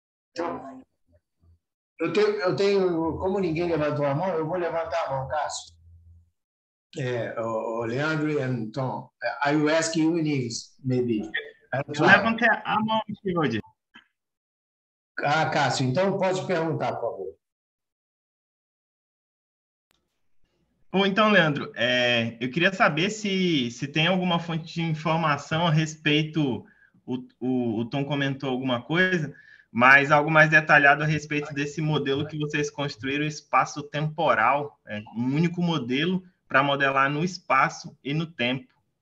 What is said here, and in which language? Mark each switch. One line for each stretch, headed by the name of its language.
Portuguese: Então... Eu tenho, como ninguém levantou a mão, eu vou levantar a mão, Cássio.
English: Leandro e Tom, I will ask you in English, maybe.
Portuguese: Levantei a mão, senhor. Ah, Cássio, então pode perguntar, por favor. Bom, então, Leandro, eu queria saber se tem alguma fonte de informação a respeito, o Tom comentou alguma coisa, mas algo mais detalhado a respeito desse modelo que vocês construíram, espaço-temporal, um único modelo para modelar no espaço e no tempo.